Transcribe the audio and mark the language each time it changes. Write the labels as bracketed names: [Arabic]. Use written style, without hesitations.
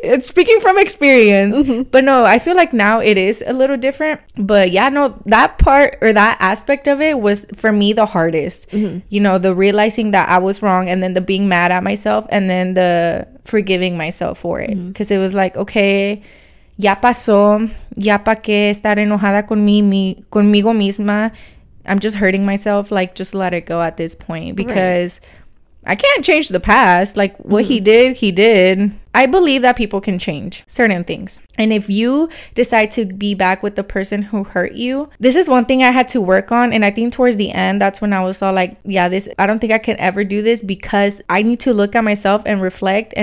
[English] It's speaking from experience. Mm-hmm. But no, I feel like now it is a little different. But yeah, no, that part or that aspect of it was for me the hardest. Mm-hmm. You know, the realizing that I was wrong, and then the being mad at myself, and then the forgiving myself for it. Because it was like, okay, [Spanish] ya pasó. Ya pa qué estar enojada conmigo misma. [English] I'm just hurting myself. Like, just let it go at this point. Because... right. I can't change the past. Like, what he did, he did. I believe that people can change certain things. And if you decide to be back with the person who hurt you, this is one thing I had to work on. And I think towards the end, that's when I was all like, yeah, this, I don't think I can ever do this, because I need to look at myself and reflect.